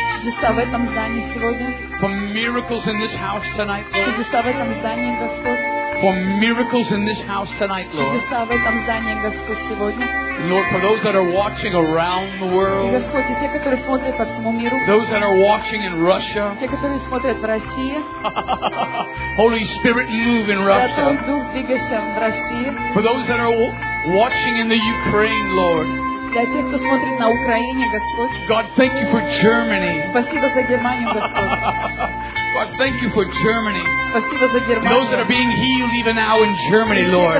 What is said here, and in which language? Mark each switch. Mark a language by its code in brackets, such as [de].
[ru] Чудеса в этом здании сегодня. [en] For miracles in this house tonight, Lord. [ru] Чудеса в этом здании, Господь. [en] For miracles in this house tonight, Lord. [ru] Чудеса в этом здании, Господь, сегодня. [en] Lord, for those that are watching around the world. [ru] И Господь, и те, которые смотрят по всему миру. [en] Those that are watching in Russia. [ru] Те, которые смотрят в России. [en] Holy Spirit, move in Russia. [ru] Святой Дух, двигайся в России. [en] For those that are watching in the Ukraine, Lord. [ru] Для тех, кто смотрит на Украине, Господь. [en] God, thank you for Germany. [ru] Спасибо за Германию, Господь. [en] God, thank you for Germany. [ru] Спасибо за Германию. [en] Those that are being healed even now in Germany, Lord.